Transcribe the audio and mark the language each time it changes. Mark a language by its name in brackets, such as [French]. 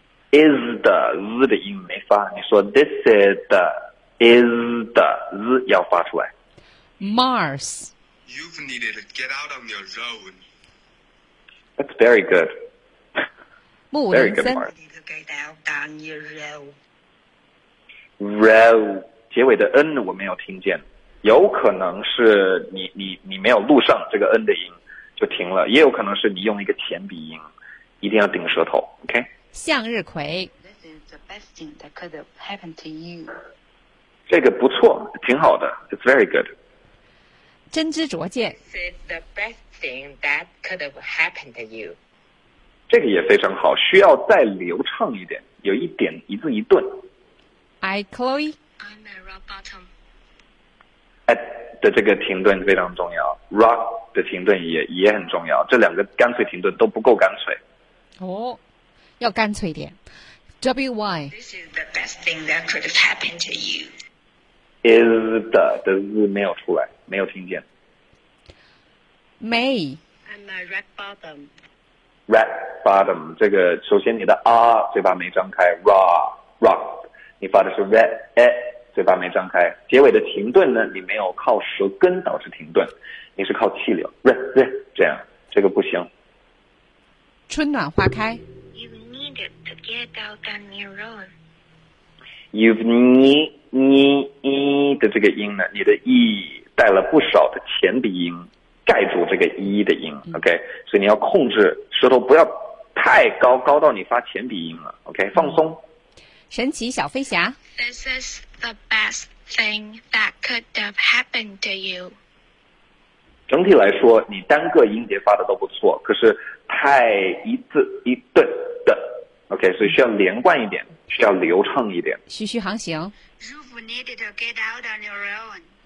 [Chinese] Is 的 z 的音没发，你说 this is 的 is 的 z 要发出来。 Mars. [English] You've needed to get out on your own. That's very good. Very good, Mark. You've needed to get out on your own. [Chinese] Row 结尾的 n 我没有听见，有可能是你没有录上这个 n 的音就停了，也有可能是你用一个前鼻音，一定要顶舌头。 OK. 向日葵。 [English] This is the best thing that could have happened to you. [Chinese] 这个不错，挺好的。 [English] It's very good. [Chinese] 真知灼见 [English] This is the best thing that could have happened to you. [Chinese] 这个也非常好，需要再流畅一点，有一点一字一顿。 [English] I, Chloe I'm at rock bottom. [Chinese] At 的这个停顿非常重要， rock 的停顿也很重要，这两个干脆停顿都不够干脆。哦，要干脆一点。WY [English] This is the best thing that could have happened to you. [Chinese] Is 的 z 没有出来，没有听见。 May [English] I'm a red bottom. [Chinese] Red bottom 这个首先你的 嘴巴没张开 rock 你发的是 red嘴巴没张开，结尾的停顿呢你没有靠舌根导致停顿，你是靠气流 red 这样，这个不行。春暖花开 [English] You needed to get out on your own. [Chinese] You've needi 的这个音呢，你的 e 带了不少的前鼻音盖住这个 e 的音 ，OK， 所以你要控制舌头不要太高，高到你发前鼻音了 ，OK， 放松。神奇小飞侠 [English] ，This is the best thing that could have happened to you。 [Chinese] 整体来说，你单个音节发的都不错，可是太一字一顿的 ，OK， 所以需要连贯一点。需要流畅一点，徐徐航行。 [English] You've needed to get out on your own.